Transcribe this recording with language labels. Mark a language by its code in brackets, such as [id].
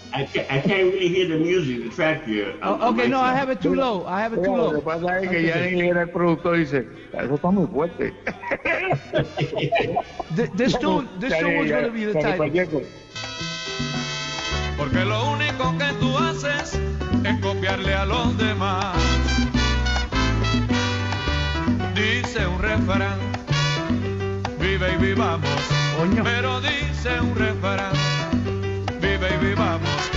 [en] I can't really hear the music, the track here. I have it too low. [es] Lo que pasa es que ya el productor dice, eso está muy fuerte. [en] This tune was going to be the title. [es] Porque lo único que tú haces es copiarle a los demás. Dice un refrán, vive y vivamos. Coño. Pero dice un refrán, vive y vivamos.